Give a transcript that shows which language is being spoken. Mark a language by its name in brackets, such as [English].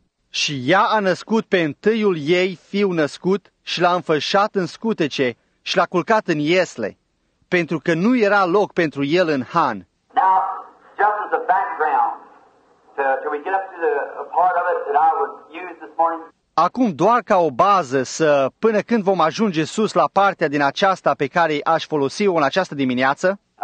[Romanian] Și ea a născut pe întâiul ei fiu născut și l-a înfășat în scutece și l-a culcat în iesle, pentru că nu era loc pentru el în han. [English] Now, just as a background to can we get up to the part of it that I would use this morning? [Romanian] Acum doar ca o bază să până când vom ajunge sus la partea din aceasta pe care aș folosi-o în această dimineață.